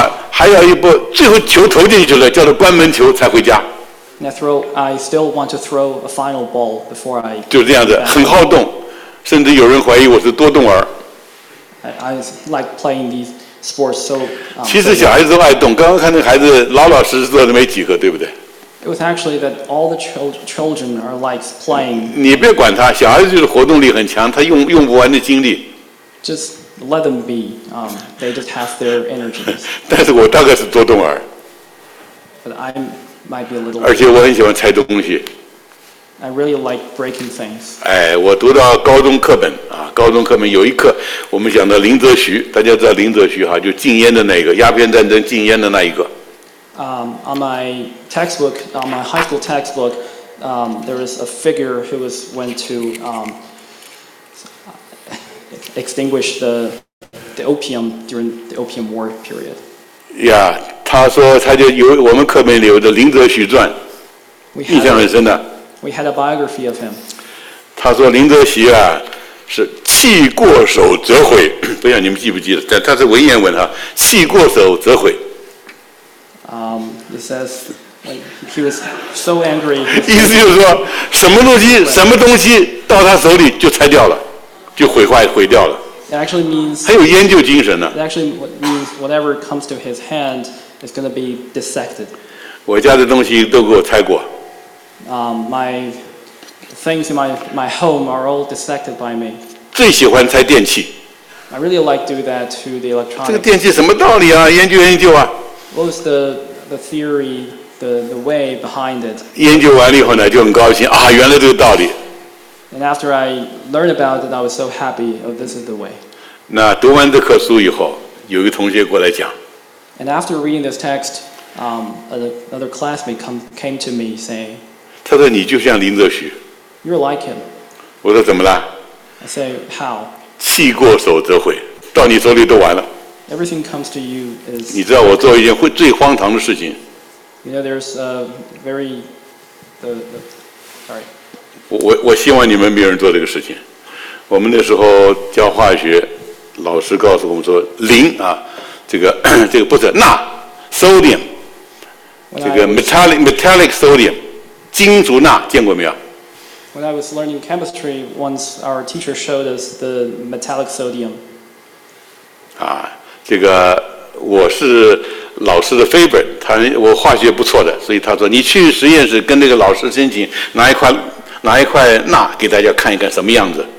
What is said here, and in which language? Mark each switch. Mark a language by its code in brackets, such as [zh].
[zh] 还要一步，最后球投进去了，叫做关门球才回家。 [en] I still want to throw a final ball before I. [zh] 就这样子，很好动，甚至有人怀疑我是多动儿。 [en] I like playing these sports so. [zh] 其实小孩子都爱动，刚刚看那个孩子老老实实坐着没几个，对不对 [en] ？It was actually that all the children are like playing. [zh] 你别管他，小孩子就是活动力很强，他用不完的精力。 [en] Just. Let them be. They just have their energy. [zh] 但是我大概是多动儿。 [en] But I might be a little. [zh] 而且我很喜欢拆东西。 [en] I really like breaking things. [zh] 哎，我读到高中课本啊，高中课本有一课，我们讲的林则徐，大家知道林则徐哈，就禁烟的那个，鸦片战争禁烟的那一个。 [en] On my textbook, on my high school textbook, there is a figure who was went to extinguish the opium during the opium war period. [zh] Yeah, 他说他就有我们课本里有的林则徐传，印象很深的。 [en] We had a biography of him. [zh] 他说林则徐啊，是气过手则悔，不知道你们记不记得？但他是文言文哈，气过手则悔。 [en] It says he was so angry. [zh] 意思就是说，什么东西，什么东西到他手里就拆掉了，就毁坏毁掉了。 [en] It actually means [zh] 还有研究精神呢。 [en] It actually means whatever comes to his hand is going to be dissected. [zh] 我家的东西都给我拆过。 [en] My things in my home are all dissected by me. [zh] 最喜欢拆电器。 [en] I really like do that to the electronics. [zh] 这个电器什么道理啊？研究研究啊。 [en] What was the theory, the way behind it? [zh] 研究完了以后呢，就很高兴啊，原来这个道理。 [en] And after I learned about it, I was so happy. Oh, this is the way. [zh] 那读完这课书以后，有一个同学过来讲。 [en] And after reading this text, another classmate came to me saying. [zh] 他说你就像林则徐。 [en] You're like him. [zh] 我说怎么了 [en] ？I say how. [zh] 气过手则悔，到你手里都完了。 [en] Everything comes to you is. [zh] 你知道我做一件会最荒唐的事情。 [en] You know, there's a very, sorry. [zh] 我希望你们没有人做这个事情。我们那时候教化学，老师告诉我们说，磷啊，这个不是钠 ，sodium， 这个 metallic sodium， 金属钠，见过没有 [en] ？When I was learning chemistry, once our teacher showed us the metallic sodium. [zh] 啊。这个我是老师的 favorite， 他我化学不错的，所以他说你去实验室跟那个老师申请拿一块钠给大家看一看什么样子。